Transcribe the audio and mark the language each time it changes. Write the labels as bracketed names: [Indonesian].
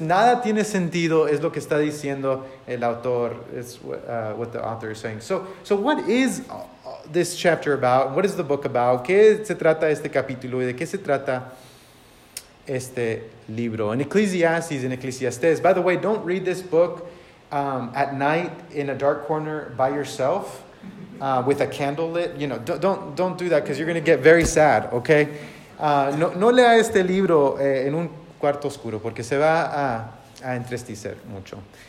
[Spanish] Nada tiene sentido, es lo que está diciendo el autor. [English] It's what the author is saying. So what is this chapter about? What is the book about? [Spanish] ¿Qué se trata este capítulo y de qué se trata este libro? [English] In Ecclesiastes, in Ecclesiastes. By the way, don't read this book at night in a dark corner by yourself with a candle lit. You know, don't do that because you're going to get very sad, okay? [Spanish] No lea este libro en un cuarto oscuro porque se va a entristecer mucho.